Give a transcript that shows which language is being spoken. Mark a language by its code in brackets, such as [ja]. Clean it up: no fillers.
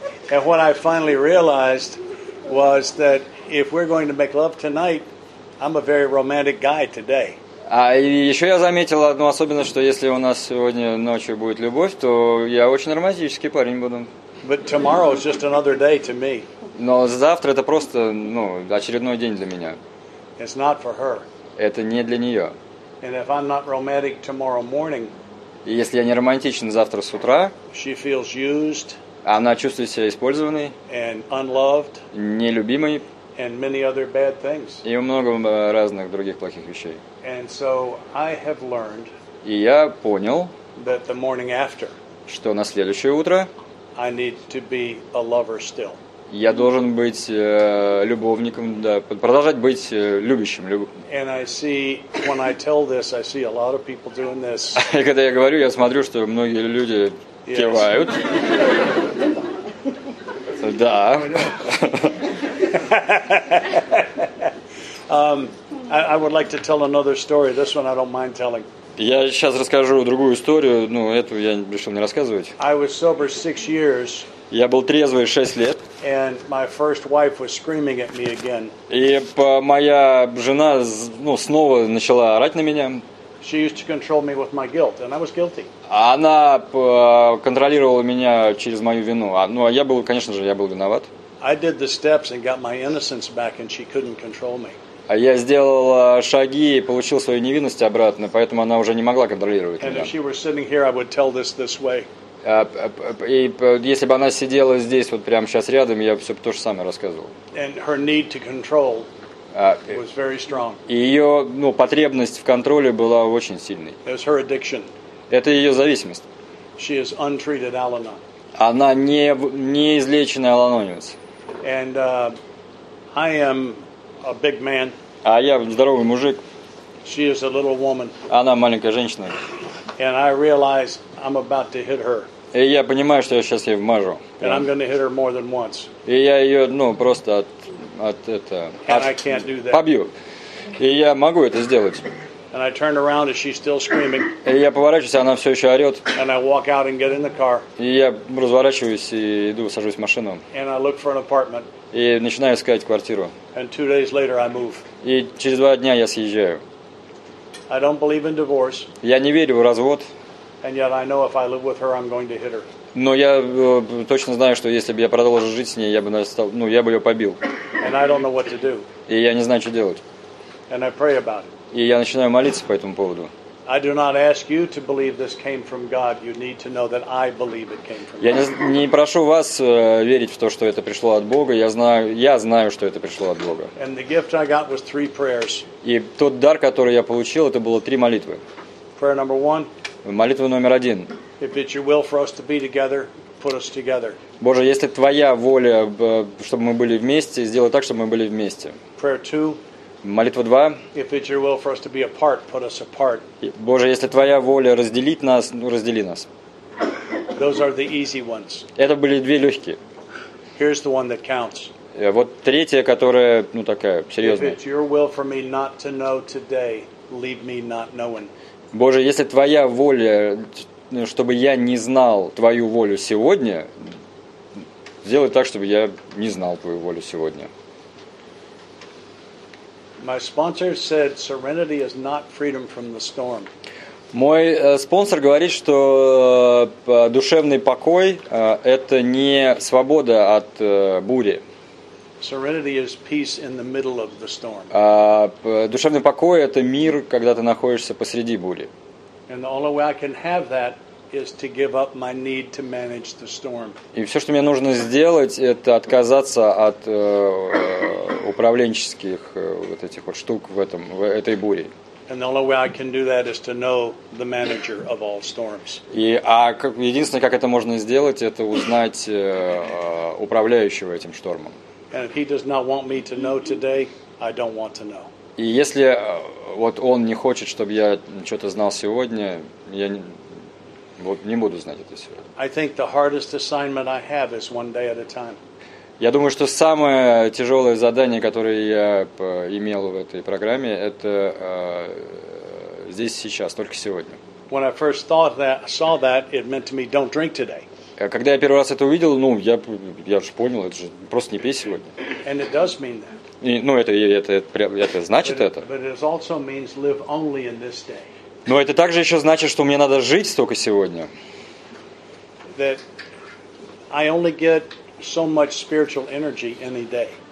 [en] And what I finally realized was that if we're going to make love tonight, I'm a very romantic guy today. [ru] А еще я заметил одну особенность, что если у нас сегодня ночью будет любовь, то я очень романтический парень буду. [en] But tomorrow is just another day to me. [ru] Но завтра это просто, ну, очередной день для меня. [en] It's not for her. [ru] Это не для нее. [en] And if I'm not romantic tomorrow morning, [ru] если я не романтичен завтра с утра, [en] she feels used. [ru] Она чувствует себя использованной. [en] And unloved. [ru] Нелюбимой. [en] And many other bad things. [ru] И много разных других плохих вещей. [en] And so I have learned. [ru] И я понял. [en] That the morning after. [ru] Что на следующее утро. [en] I need to be a lover still. [ru] Я должен быть любовником, да, продолжать быть любящим. [en] And I see when I tell this, I see a lot of people doing this. [ru] И когда я говорю, я смотрю, что многие люди кивают. Да. [en] I would like to tell another story. This one I don't mind telling. [ru] Я сейчас расскажу другую историю. Ну, эту я решил не рассказывать. [en] I was sober 6 years. [ru] Я был трезвый 6 лет. [en] And my first wife was screaming at me again. [ru] И моя жена, ну, снова начала орать на меня. [en] She used to control me with my guilt, and I was guilty. [ru] Она контролировала меня через мою вину. Ну, а я был, конечно же, я был виноват. [en] I did the steps and got my innocence back, and she couldn't control me. [ru] А я сделал шаги и получил свою невинность обратно, поэтому она уже не могла контролировать меня. [en] And if she were sitting here, I would tell this way. [ru] И если бы она сидела здесь вот прямо сейчас рядом, я бы все то же самое рассказывал. [en] And her need to control was very strong. [ru] И ее ну потребность в контроле была очень сильной. [en] It was her addiction. [ru] Это ее зависимость. [en] She is untreated Al-Anon. [ru] Она не излеченная Al-Anonец. [en] And I am a big man. [ru] А я здоровый мужик. [en] She is a little woman. [ru] Она маленькая женщина. [en] And I realize I'm about to hit her. [ru] И я понимаю, что я сейчас ей вмажу. [en] And I'm going to hit her more than once. [ru] И я ее, ну, просто от это [en] And I can't do that. [ru] Побью. И я могу это сделать. [en] And I turn around and she's still screaming. [ru] И я поворачиваюсь, она все еще орет. [en] And I walk out and get in the car. [ru] И я разворачиваюсь и иду, сажусь в машину. [en] And I look for an apartment. [ru] И начинаю искать квартиру. [en] And 2 days later I move. [ru] И через 2 дня я съезжаю. [en] I don't believe in divorce. [ru] Я не верю в развод. [en] And yet I know if I live with her, I'm going to hit her. [ru] Но я точно знаю, что если бы я продолжил жить с ней, я бы ее побил. [en] And I don't know what to do. [ru] И я не знаю, что делать. [en] And I pray about it. [ru] И я начинаю молиться по этому поводу. [en] I do not ask you to believe this came from God. You need to know that I believe it came from God. [ru] Я не прошу вас верить в то, что это пришло от Бога. Я знаю, что это пришло от Бога. [en] And the gift I got was 3 prayers. [ru] И тот дар, который я получил, это было 3 молитвы. [en] Prayer number 1. [ru] Молитва номер 1. [en] If it's your will for us to be together, put us together. [ru] Боже, если твоя воля, чтобы мы были вместе, сделай так, чтобы мы были вместе. [en] Prayer 2. [ru] Молитва 2. [en] If it's your will for us to be apart, put us apart. [ru] Боже, если твоя воля разделить нас, ну раздели нас. [en] Those are the easy ones. [ru] Это были 2 легкие. [en] Here's the one that counts. [ru] Вот третья, которая, ну такая, серьезная. [en] If it's your will for me not to know today, leave me not knowing. [ru] Боже, если твоя воля, чтобы я не знал твою волю сегодня, сделай так, чтобы я не знал твою волю сегодня. [en] My sponsor said serenity is not freedom from the storm. [ru] Мой спонсор говорит, что душевный покой это не свобода от бури. [en] Serenity is peace in the middle of the storm. [ru] Душевный покой это мир, когда ты находишься посреди бури. [en] And the only way I can have that is to give up my need to manage the storm. [ru] И все, что мне нужно сделать, это отказаться от управленческих вот этих вот штук в этой буре. [en] And the only way I can do that is to know the manager of all storms. [ru] Единственное, как это можно сделать, это узнать управляющего этим штормом. [en] And if he does not want me to know today, I don't want to know. [ru] И если вот он не хочет, чтобы я что-то знал сегодня, я не Вот не буду знать это сегодня. [en] I think the hardest assignment I have is 1 day at a time. [ru] Я думаю, что самое тяжелое задание, которое я имел в этой программе, это здесь сейчас, только сегодня. [en] When I first thought that, saw that, it meant to me, don't drink today. [ru] Когда я первый раз это увидел, ну я же понял, это же просто не пей сегодня. [en] And it does mean that. [ru] И, ну это значит [en] but, [ru] это. [en] But it also means live only in this day. [ru] Но это также еще значит, что мне надо жить только сегодня. [en] That I only get so much spiritual energy any day.